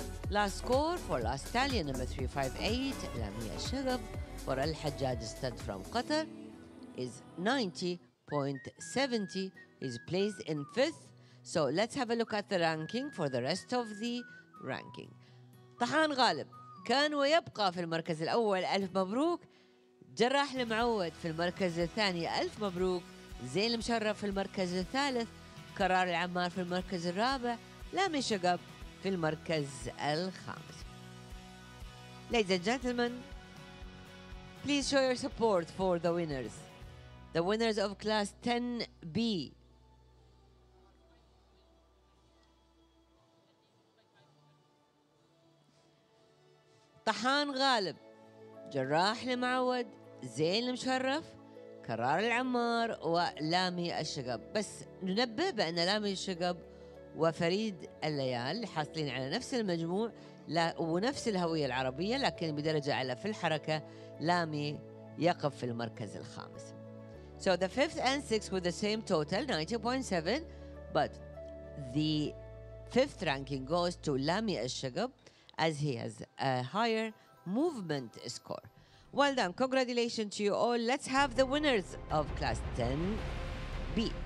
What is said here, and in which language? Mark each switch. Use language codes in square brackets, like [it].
[en] last score for last tally number 358 لامي الشقب for الحجاج stud from قطر is 90.70 is placed in 5th. So let's have a look at the ranking for the rest of the ranking. [ar] طحان غالب كان ويبقى في المركز الأول، ألف مبروك. جراح المعود في المركز الثاني ألف مبروك، زين المشرف في المركز الثالث، قرار العمار في المركز الرابع، لامي شقب في المركز الخامس. [en] Ladies and gentlemen, please show your support for the winners. The winners of class 10B. [ar] طحان غالب، جراح المعود، زين المشرف، كرار العمار، ولامي الشقب. بس ننبه بأن لامي الشقب وفريد الليال حاصلين على نفس المجموع ونفس الهوية العربية، لكن بدرجة أعلى في الحركة، لامي يقف في المركز الخامس. [en] So the fifth and sixth with the same total, 90.7, but the fifth ranking goes to Lami Ashagab as he has a higher movement score. Well done, congratulations to you all. Let's have the winners of Class 10B.